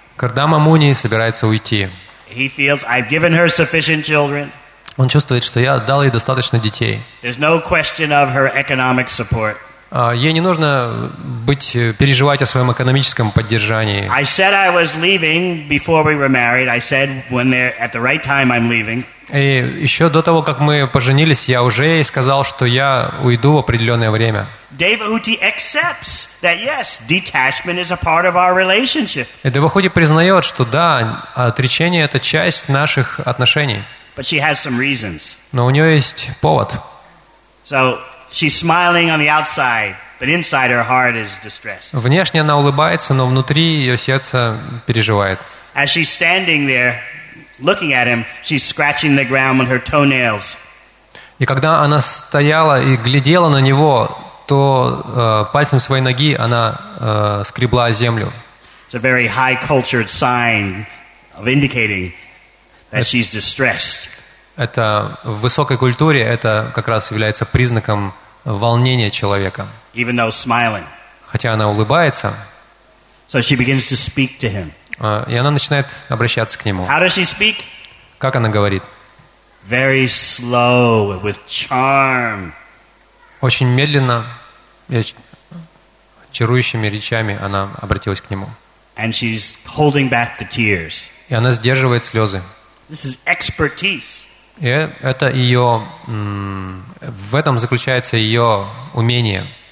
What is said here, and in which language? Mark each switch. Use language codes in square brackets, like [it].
[ru] Кардама Муни собирается уйти. [en] He feels I've given her sufficient children. [ru] Он чувствует, что я дал ей достаточно детей. [en] There's no question of her economic support. [ru] Ей не нужно переживать о своем экономическом поддержании. [en] I said I was leaving before we were married. I said when they're at the right time I'm leaving. [ru] И еще до того, как мы поженились, я уже ей сказал, что я уйду в определенное время. [en] Devahuti accepts that yes, detachment is a part of our relationship. [ru] И Девахути признает, что да, отречение это часть наших отношений. [en] But she has some reasons. [ru] Но у нее есть повод. [en] So she's smiling on the outside, but inside her heart is distressed. [ru] Внешне она улыбается, но внутри ее сердце переживает. [en] As she's standing there, looking at him, she's scratching the ground with her toenails. [ru] И когда она стояла и глядела на него, то пальцем своей ноги она скребла землю. [en] It's a very high-cultured sign of indicating that she's distressed. [ru] Это в высокой культуре это как раз является признаком волнения человека. [en] Even though smiling. [ru] Хотя она улыбается. [en] So she begins to speak to him. [ru] И она начинает обращаться к нему. [en] How does she speak? [ru] Как она говорит? [en] Very slow, with charm. [ru] Очень медленно, чарующими речами она обратилась к нему. [en] And she's holding back the tears. [ru] И она сдерживает слезы. [en] This is expertise. [ru] И это ее, в этом заключается ее умение.